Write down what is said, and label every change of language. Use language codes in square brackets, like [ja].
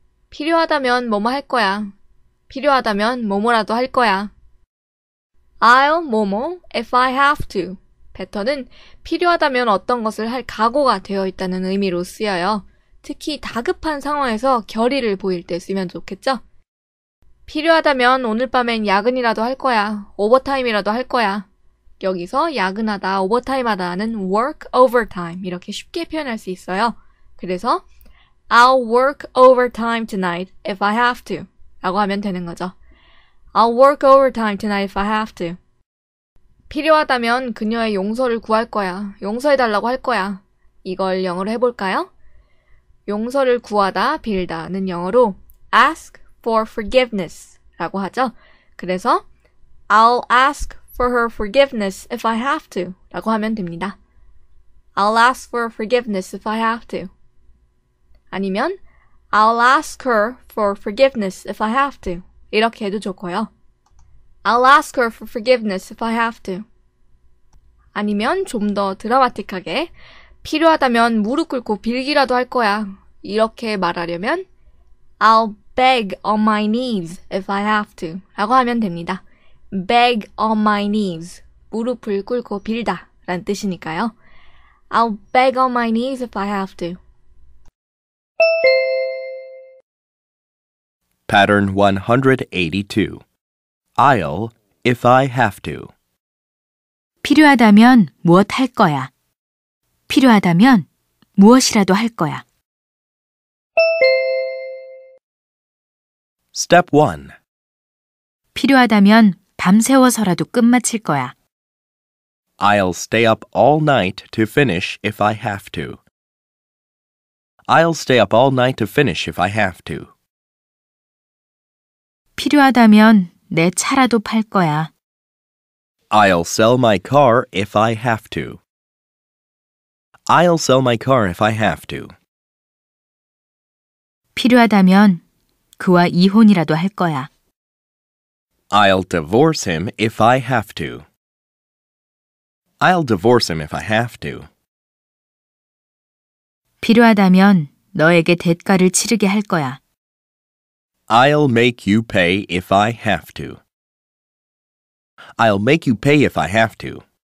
[ko] 필요하다면 뭐뭐 할 거야. 필요하다면 뭐뭐라도 할 거야. [en] I'll 뭐뭐 if I have to. [ko] 패턴은 필요하다면 어떤 것을 할 각오가 되어 있다는 의미로 쓰여요. 특히 다급한 상황에서 결의를 보일 때 쓰면 좋겠죠? 필요하다면 오늘 밤엔 야근이라도 할 거야. 오버타임이라도 할 거야. 여기서 야근하다, 오버타임하다는 [en] work overtime [ko] 이렇게 쉽게 표현할 수 있어요. 그래서 [en] I'll work overtime tonight if I have to [ko] 라고 하면 되는 거죠. [en] I'll work overtime tonight if I have to. [ko] 필요하다면 그녀의 용서를 구할 거야. 용서해달라고 할 거야. 이걸 영어로 해볼까요? 용서를 구하다, 빌다는 영어로 [en] ask for forgiveness [ko] 라고 하죠. 그래서 [en] I'll ask for her forgiveness if I have to [ko] 라고 하면 됩니다. [en] I'll ask for forgiveness if I have to. [ko] 아니면 [en] I'll ask her for forgiveness if I have to. [ko] 이렇게 해도 좋고요. [en] I'll ask her for forgiveness if I have to. [ko] 아니면 좀 더 드라마틱하게 필요하다면 무릎 꿇고 빌기라도 할 거야. 이렇게 말하려면 [en] I'll beg on my knees if I have to [ko] 라고 하면 됩니다. [en] Beg on my knees. [ko] 무릎을 꿇고 빌다 라는 뜻이니까요. [en] I'll beg on my knees if I have to. Pattern 182. I'll if I have to. [ko] 필요하다면 무엇 할 거야. 필요하다면 무엇이라도 할 거야. [en] Step 1. [ko] 필요하다면 밤새워서라도 끝마칠 거야. [en] I'll stay up all night to finish if I have to. I'll stay up all night to finish if I have to. [ko] 필요하다면 내 차라도 팔 거야. [en] I'll sell my car if I have to. I'll sell my car if I have to. [ko] 필요하다면 그와 이혼이라도 할 거야. [en] I'll divorce him if I have to. I'll divorce him if I have to. [ko] 필요하다면 너에게 대가를 치르게 할 거야. [en] I'll make you pay if I have to. I'll make you pay if I have to.